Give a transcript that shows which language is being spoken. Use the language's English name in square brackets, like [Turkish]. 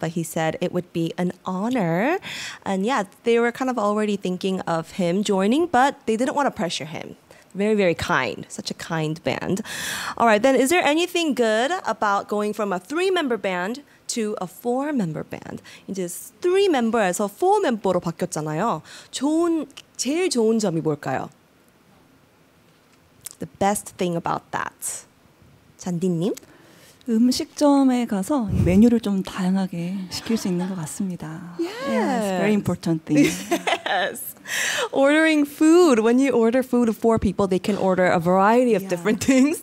[English] But he said it would be an honor. And yeah, they were kind of already thinking of him joining, but they didn't want to pressure him. Very, very kind. Such a kind band. All right, then, is there anything good about going from a three-member band to a four-member band? [Korean] 이제 three-member에서 four-member로 바뀌었잖아요. 좋은, 제일 좋은 점이 뭘까요? [English] The best thing about that. 잔디님? [Korean] 음식점에 가서 메뉴를 좀 다양하게 시킬 수 있는 것 같습니다. [English] Yes, very important thing. Yes, ordering food. When you order food for people, they can order a variety of different things.